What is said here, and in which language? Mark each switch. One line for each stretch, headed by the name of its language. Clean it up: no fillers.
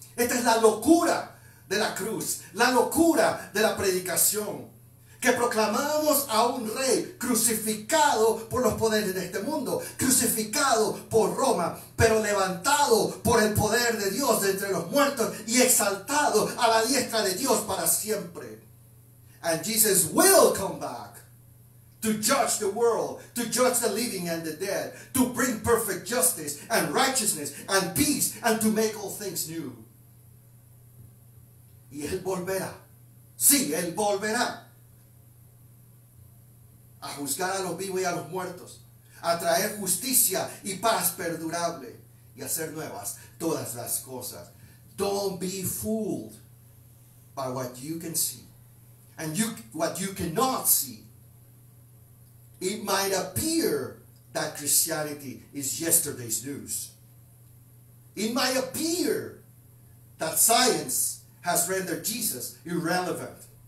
Spanish: Esta es la locura de la cruz, la locura de la predicación. Que proclamamos a un rey crucificado por los poderes de este mundo, crucificado por Roma, pero levantado por el poder de Dios de entre los muertos y exaltado a la diestra de Dios para siempre.
English: And Jesus will come back to judge the world, to judge the living and the dead, to bring perfect justice and righteousness and peace and to make all things new.
Spanish: Y Él volverá. Sí, Él volverá. A juzgar a los vivos y a los muertos, a traer justicia y paz perdurable y hacer nuevas todas las cosas.
English: Don't be fooled by what you can see and what you cannot see. It might appear that Christianity is yesterday's news. It might appear that science has rendered Jesus irrelevant.